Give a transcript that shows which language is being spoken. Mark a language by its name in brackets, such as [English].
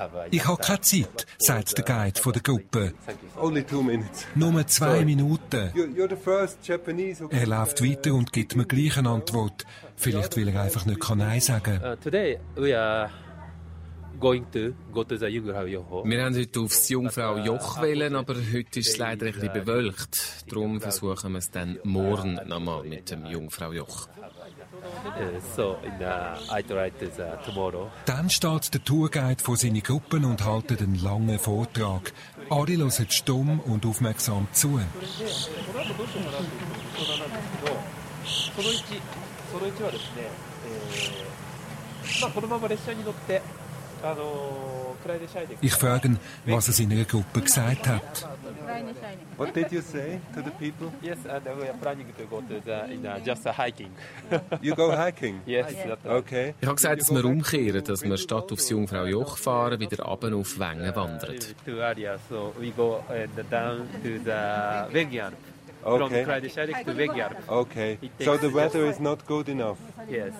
[German] Ich habe keine Zeit, sagt der Guide von der Gruppe. [English] Only 2 minutes. [German] Nur 2 Minuten. [English] You're the first Japanese, okay. [German] Er läuft weiter und gibt mir gleich eine Antwort. Vielleicht will er einfach nicht Nein sagen. [English] Today we are going to go to the Jungfrau-Joch. [German] Wir haben heute aufs Jungfrau-Joch wählen, aber heute ist es leider ein bisschen bewölkt. Darum versuchen wir es dann morgen nochmal mit dem Jungfrau-Joch. Dann steht der Tourguide vor seinen Gruppen und hält einen langen Vortrag. Ari hört stumm und aufmerksam zu. Ich frage ihn, was er seiner Gruppe gesagt hat. [English] What did you say to the people? Yes, and we are planning to go to the just a hiking. You go hiking? Yes. Okay. [German] Ich habe gesagt, dass wir umkehren, dass wir statt aufs Jungfraujoch fahren, wieder runter auf Wengen wandern. [English] To Aria, so we go down to the Vegyar. Okay. From Kreidesheirik to Vegyar. Okay. So the weather is not good enough? Yes.